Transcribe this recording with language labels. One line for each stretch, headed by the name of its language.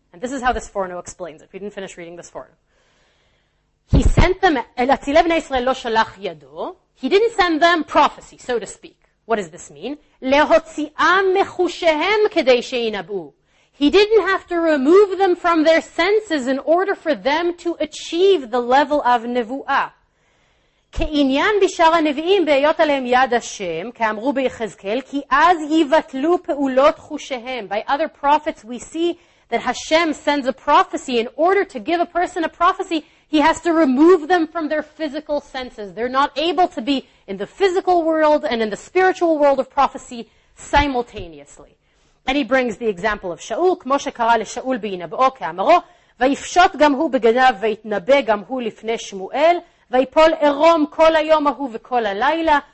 English: And this is how this Sforno explains it. We didn't finish reading this Sforno. He sent them,
Hebrew: El Atzilei ben Israel lo shalach yado.
English: He didn't send them prophecy, so to speak. What does this mean?
Hebrew: Lehotzi'am mechushehem kedei she'inabu.
English: He didn't have to remove them from their senses in order for them to achieve the level of nevu'ah.
Hebrew: כעניין בשאר הנביאים בהיות עליהם יד השם, כאמרו ביחזקאל, כי אז יבטלו פעולות חושיהם.
English: By other prophets we see that Hashem sends a prophecy. In order to give a person a prophecy, he has to remove them from their physical senses. They're not able to be in the physical world and in the spiritual world of prophecy simultaneously. And he brings the example of Shaul,
Hebrew: כמו שקרא לשאול בינבאו, כאמרו, ויפשוט גם הוא בגנב ויתנבא גם הוא לפני שמואל, Vaypol erom kol hayom ahu v'kol halayla.